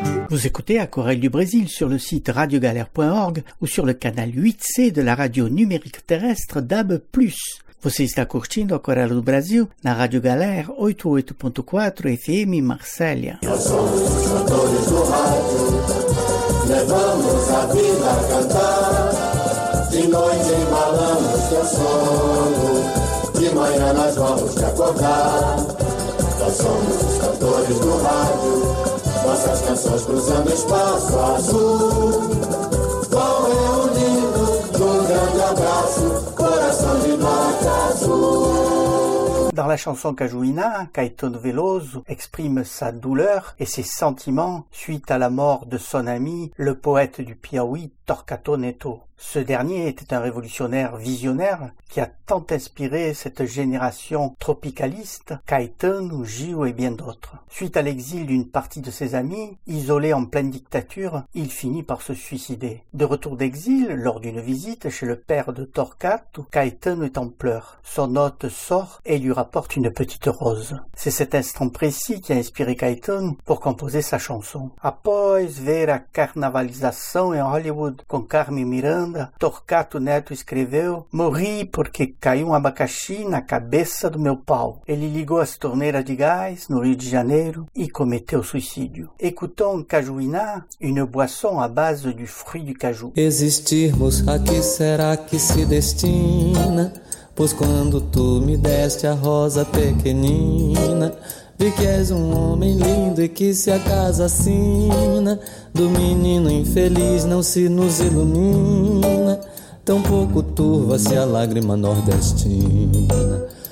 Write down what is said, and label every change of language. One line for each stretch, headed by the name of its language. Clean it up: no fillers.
French: Vous écoutez Aquarelle du Brésil sur le site radiogalère.org ou sur le canal 8C de la radio numérique terrestre DAB+.
Portuguese: Você está curtindo Aquarelle do Brasil na Rádio Galère 88.4 FM Marselha. Levamos a vida a cantar, de noite embalamos teu sono, de manhã nós vamos te acordar. Nós somos os cantores do rádio, nossas canções cruzando espaço azul. Vão reunindo um grande abraço, coração de vaca azul.
French: Dans la chanson Cajuína, Caetano Veloso exprime sa douleur et ses sentiments suite à la mort de son ami, le poète du Piauí, Torquato Neto. Ce dernier était un révolutionnaire visionnaire qui a tant inspiré cette génération tropicaliste, Caetano, Gil et bien d'autres. Suite à l'exil d'une partie de ses amis, isolé en pleine dictature, il finit par se suicider. De retour d'exil, lors d'une visite chez le père de Torquato, Caetano est en pleurs. Son hôte sort et lui rapporte une petite rose. C'est cet instant précis qui a inspiré Caetano pour composer sa chanson.
Portuguese: Após ver a carnavalização em Hollywood com Carmen Miranda, Torquato Neto escreveu: morri porque caiu um abacaxi na cabeça do meu pau. Ele ligou as torneiras de gás no Rio de Janeiro e cometeu suicídio.
French: Écoutons Cajuína, une boisson à base du fruit du caju.
Portuguese: Existirmos, a que será que se destina? Pois quando tu me deste a rosa pequenina, vi que és um homem lindo e que se a casa assina do menino infeliz não se nos ilumina, tampouco turva-se a lágrima nordestina.